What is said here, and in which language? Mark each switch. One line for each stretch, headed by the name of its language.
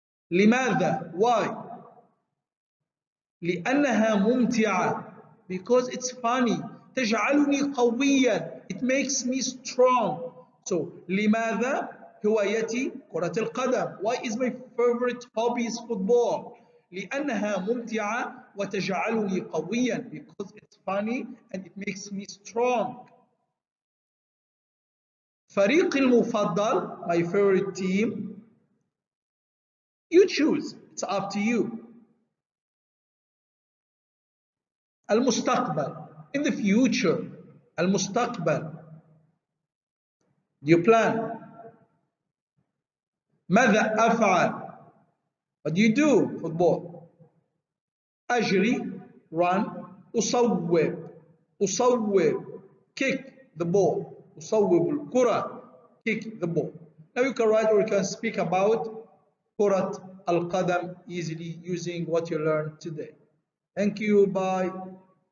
Arabic: لماذا?
English: Why?
Arabic: لأنها ممتعة.
English: Because it's funny.
Arabic: تجعلني قويا.
English: It makes me strong.
Arabic: So, لماذا هوايتي كرة القدم?
English: Why is my favorite hobby is football?
Arabic: لأنها ممتعة وتجعلني قويا.
English: Because it's funny and it makes me strong.
Arabic: فريق المفضل,
English: my favorite team, you choose, it's up to you. المستقبل, in the future, المستقبل, do you plan?
Arabic: ماذا أفعل?
English: What do you do, football?
Arabic: أجري, run, أصوب, أصوب,
English: kick the ball,
Arabic: أصوب الكرة.
English: Kick the ball. Now you can write or you can speak about كرة القدم easily using what you learned today. Thank you. Bye.